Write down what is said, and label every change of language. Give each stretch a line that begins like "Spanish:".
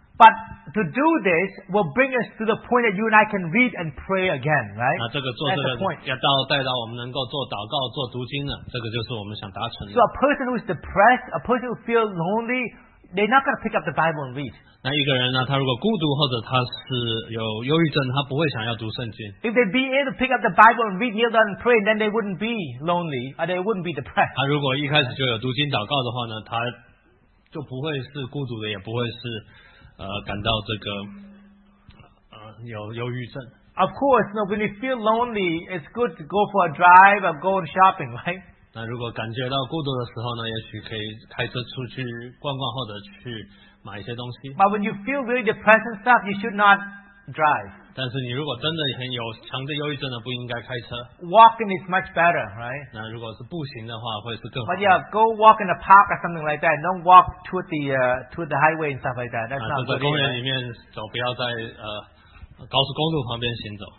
English: But to do this will bring us to the point that you and I can read and pray again, right?
Chinese: 那这个做这个要到带到我们能够做祷告、做读经了，这个就是我们想达成的。
English: So a person who is depressed, a person who feels lonely, they're not going to pick up the Bible and read.
Chinese: 那一个人呢，他如果孤独或者他是有忧郁症，他不会想要读圣经。
English: If they be able to pick up the Bible and read, kneel down and pray, then they wouldn't be lonely, or they wouldn't be depressed.
Chinese: 他如果一开始就有读经祷告的话呢，他就不会是孤独的，也不会是感到这个有忧郁症。
English: Of course, you know, when you feel lonely, it's good to go for a drive or go shopping, right?
Chinese: 那如果感觉到孤独的时候呢，也许可以开车出去逛逛，或者去买一些东西。
English: But when you feel really depressed and stuff, you should not drive.
Chinese: 但是你如果真的很有强的忧郁症呢，不应该开车。
English: Walking is much better, right?
Chinese: 那如果是步行的话，会是更好。
English: But yeah, go walk in the park or something like that. Don't walk to the highway and stuff like that. That's not good.
Chinese: 在公园里面走，不要在高速公路旁边行走。